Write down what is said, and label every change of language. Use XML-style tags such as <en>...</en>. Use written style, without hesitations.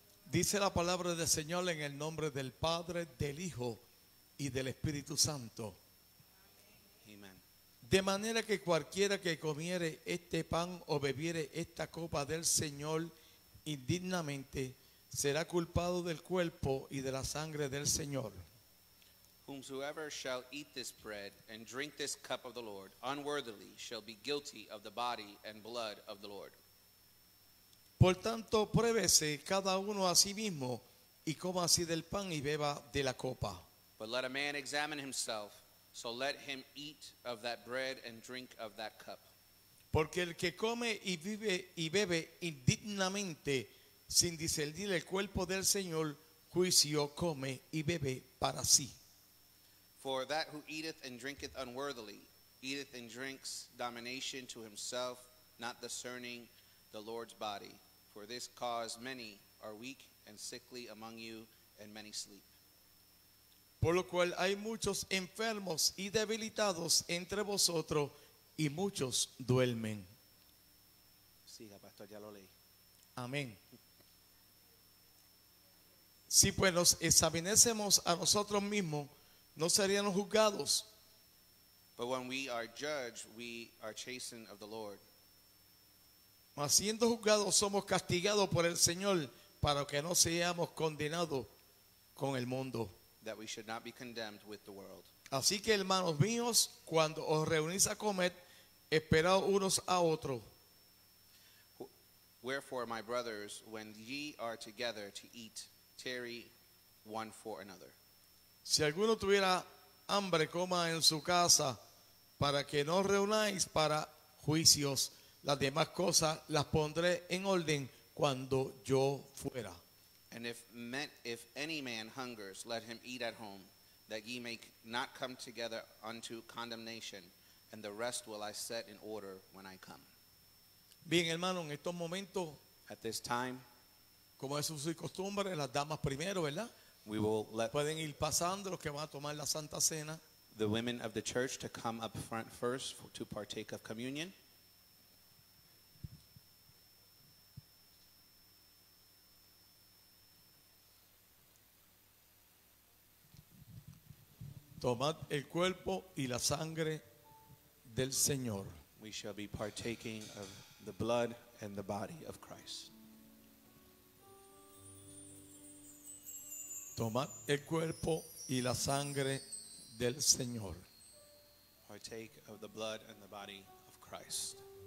<es>Dice la palabra del Señor en el nombre del Padre, del Hijo y del Espíritu Santo. De manera que cualquiera que comiere este pan o bebiere esta copa del Señor indignamente será culpado del cuerpo y de la sangre del Señor.</es> <en>Whomsoever shall eat this bread and drink this cup of the Lord unworthily shall be guilty of the body and blood of the Lord.</en> <es>Por tanto, pruébese cada uno a sí mismo y coma así del pan y beba de la copa.</es> <en>But let a man examine himself. So let him eat of that bread and drink of that cup.</en> <es>Porque el que come y vive y bebe indignamente, sin discernir el cuerpo del Señor, juicio come y bebe para sí.</es> <en>For that who eateth and drinketh unworthily, eateth and drinks domination to himself, not discerning the Lord's body. For this cause many are weak and sickly among you, and many sleep.</en> <es>Por lo cual hay muchos enfermos y debilitados entre vosotros y muchos duermen. Siga, pastor, ya lo leí. Amén. Si pues nos examinásemos a nosotros mismos, no seríamos juzgados.</es> <en>But when we are judged, we are chastened of the Lord.</en> <es>Mas siendo juzgados, somos castigados por el Señor para que no seamos condenados con el mundo.</es> <en>That we should not be condemned with the world.</en> <es>Así que, hermanos míos, cuando os reunís a comer, esperad unos a otros.</es> <en>Wherefore, my brothers, when ye are together to eat, tarry one for another.</en> <es>Si alguno tuviera hambre, coma en su casa, para que no reunáis para juicios. Las demás cosas las pondré en orden cuando yo fuera.</es> <en>And if any man hungers, let him eat at home, that ye may not come together unto condemnation, and the rest will I set in order when I come.</en> <es>Bien, hermano, en estos momentos,</es> <en>at this time,</en> <es>como es su costumbre, las damas primero, ¿verdad?</es> <en>We will let,</en> <es>pueden ir pasando los que van a tomar la Santa Cena.</es> <en>The women of the church to come up front first to partake of communion.</en> <es>Tomad el cuerpo y la sangre del Señor.</es> <en>we shall be partaking of the blood and the body of Christ.</en> <es>Tomad el cuerpo y la sangre del Señor.</es> <en>Partake of the blood and the body of Christ.</en>